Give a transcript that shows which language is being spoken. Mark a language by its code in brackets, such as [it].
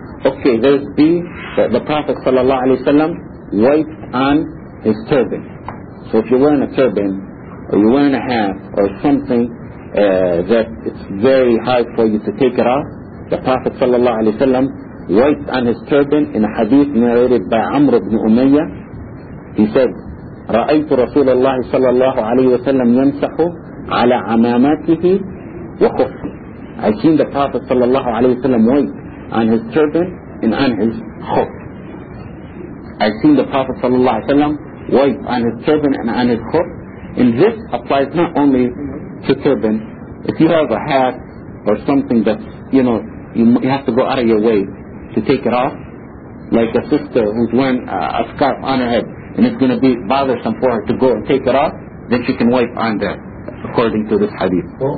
[en] Okay, there's B, that the Prophet ﷺ wiped on his turban. So if you're wearing a turban, or you're wearing a hat, or something that it's very hard for you to take it off, the Prophet ﷺ wiped on his turban in a hadith narrated by Amr ibn Umayyah. He said, [ar] رأيت رسول الله صلى الله عليه وسلم يمسح على عماماته وخفه. [en] I seen the Prophet sallallahu alayhi wa sallam wipe on his turban and on his khuf. I seen the Prophet sallallahu alayhi wa sallam wipe on his turban and on his khuf. And this applies not only to turban. If you have a hat or something that, you know, you have to go out of your way to take it off, like a sister who's wearing a scarf on her head and it's going to be bothersome for her to go and take it off, then she can wipe on that, according to this hadith.